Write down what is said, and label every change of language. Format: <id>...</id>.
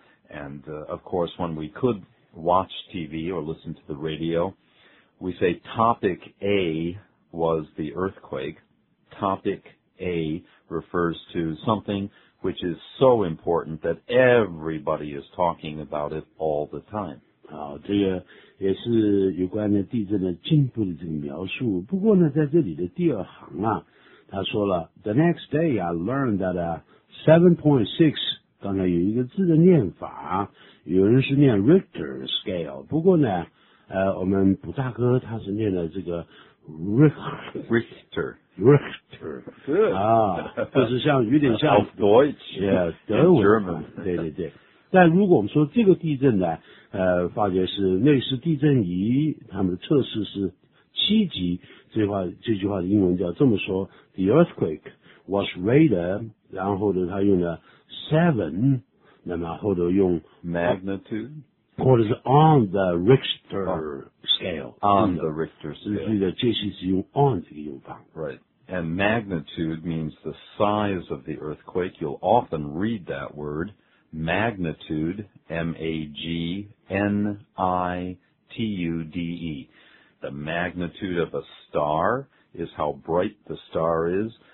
<en>And, of course, when we could watch TV or listen to the radio, we say topic A was the earthquake. Topic A refers to something which is so important that everybody is talking about it all the time.</en> <zh>好，这个也是有关的地震的进步的这个描述。不过呢，在这里的第二行啊，他说了 ，</zh> <en>The next day I learned that 7.6，</en> <zh>刚才有一个字的念法，有人是念 Richter scale， 不过呢，我们卜大哥他是念的这个 Richter。</zh> <en>Richter. Good.</en> <zh>就是像有点像</zh> <de>Auf Deutsch.</de> <en>Yeah,</en> <zh>德文。</zh> <en>German.</en> <zh>对对对。但如果我们说这个地震呢发觉是瑞士地震仪他们的测试是七级，这句话的英文叫这么说 ,</zh> <en>The earthquake was rated,</en> <zh>然后呢他用了 seven, 那么后头用</zh> <en>magnitude,</en> <zh>或者是</zh> <en>on the Richter. On the Richter scale.</en> <zh>这些是用 on 这个用法。</zh> <en>Right. And magnitude means the size of the earthquake. You'll often read that word. Magnitude, M-A-G-N-I-T-U-D-E. The magnitude of a star is how bright the star is.</en>